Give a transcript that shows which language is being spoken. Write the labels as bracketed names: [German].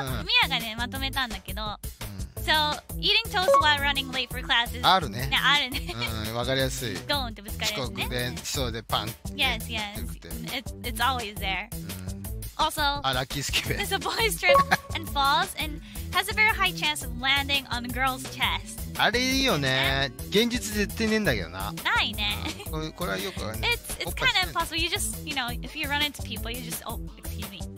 [Japanese] ああ、なんか来てるな。俺なんか英語でよく分かんなかったんだよ。あ、そうなの。ミヤがねまとめたんだけど。 [English] So, eating toast while running late for class is... [Japanese] あるね。わかりやすい。遅刻で、そうでパン。 Yes, [English] yes. It's always there. Also, it's a boy's trip and falls and has a very high chance of landing on a girl's chest. [Japanese] あれいいよね。現実絶対ねえんだけどな。ないね。これはよくわかんない。 It's [English] kind of impossible. You just, you know, if you run into people, you just, oh, excuse me.